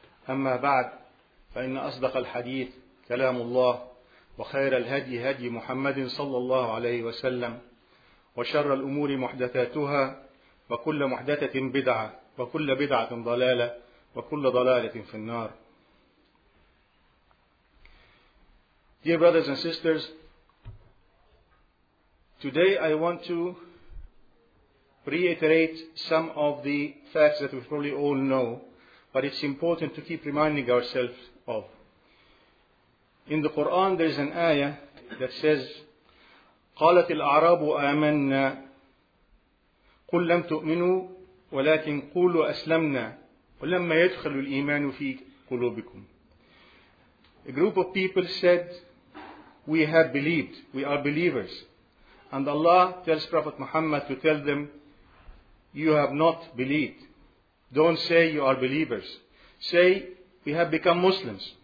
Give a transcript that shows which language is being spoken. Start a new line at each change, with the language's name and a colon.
Arabic: أما بعد، فإن أصدق الحديث كلام الله، وخير الهدي هدي محمد صلى الله عليه وسلم، وشر الأمور محدثاتها، وكل محدثة بدعة، وكل بدعة ضلالة، وكل ضلالة في النار.
English: Dear brothers and sisters, today I want to reiterate some of the facts that we probably all know, but it's important to keep reminding ourselves of. In the Quran there is an ayah that says,
Arabic: قالت الأعراب آمنا قل لم تؤمنوا ولكن قولوا أسلمنا ولما يدخل الإيمان في قلوبكم.
English: A group of people said, we have believed, we are believers. And Allah tells Prophet Muhammad to tell them, you have not believed. Don't say you are believers. Say, we have become Muslims.